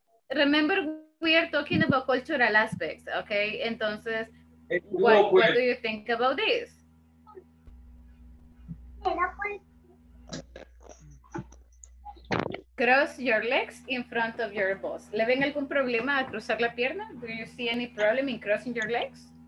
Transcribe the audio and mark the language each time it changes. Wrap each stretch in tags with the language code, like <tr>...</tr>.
<en>Remember, we are talking about cultural aspects, okay? Entonces, what do you think about this? Cross your legs in front of your boss.</en> <es>¿Le ven algún problema a cruzar la pierna?</es> <en>Do you see any problem in crossing your legs?</en>